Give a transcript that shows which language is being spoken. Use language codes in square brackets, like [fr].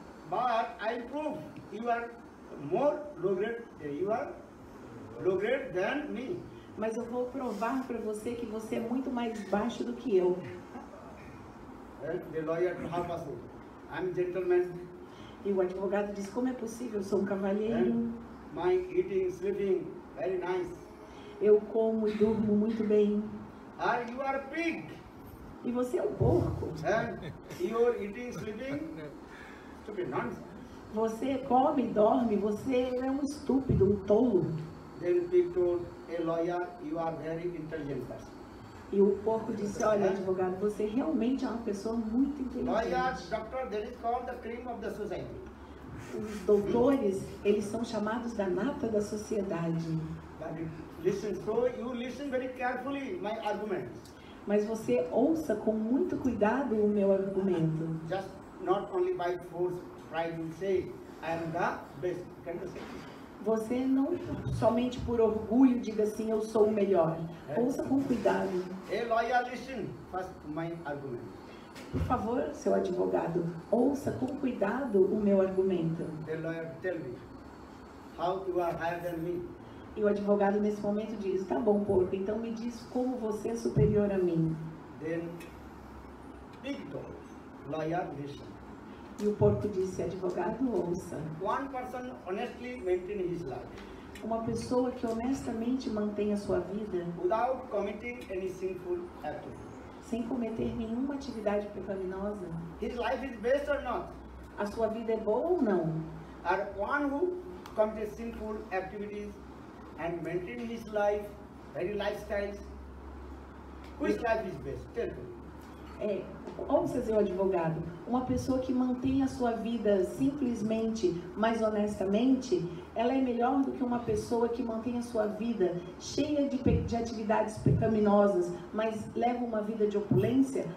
[en] But I prove you are more low grade. You are low grade than me. [pt] Mas eu vou provar para você que você é muito mais baixo do que eu. [en] The lawyer to help us. I'm a gentleman. [pt] E o advogado diz, como é possível? Eu sou um cavalheiro. [en] My eating, sleeping, very nice. [pt] Eu como e durmo muito bem. [en] Ah, you are a pig. [pt] E você é um porco. [en] You're eating, sleeping, stupid nonsense. [pt] Você come, dorme, você é um estúpido, um tolo. [en] Then pig told a lawyer, you are very intelligent person. [pt] E o porco disse, olha, advogado, você realmente é uma pessoa muito inteligente. [en] Lawyer, doctor, that is called the cream of the society. [pt] Os doutores, eles são chamados da nata da sociedade. [en] Listen, so you listen very carefully my argument. [pt] Mas você ouça com muito cuidado o meu argumento. [en] Just not only by force, try to say, I am the best. Can you say? [pt] Você não somente por orgulho diga assim, eu sou o melhor. Ouça com cuidado. [en] Hey, lawyer, listen. First, my argument. [pt] Por favor, seu advogado, ouça com cuidado o meu argumento. [en] The lawyer, tell me, how you are higher than me? [pt] E o advogado nesse momento diz, tá bom, porco, então me diz como você é superior a mim. [en] Then, big dog, lawyer, listen. [pt] E o porco disse, advogado, ouça. [en] One person honestly maintain his life. [pt] Uma pessoa que honestamente mantém a sua vida. [en] Without committing any sinful act. [pt] Sem cometer nenhuma atividade pecaminosa. [en] His life is best or not? [pt] A sua vida é boa ou não? [en] Or one who commits sinful activities and maintain his life, very lifestyles. Whose life is best? Tell me. [pt] Ouça, seu advogado, uma pessoa que mantém a sua vida simplesmente, mas honestamente, ela é melhor do que uma pessoa que mantém a sua vida cheia de atividades pecaminosas, mas leva uma vida de opulência?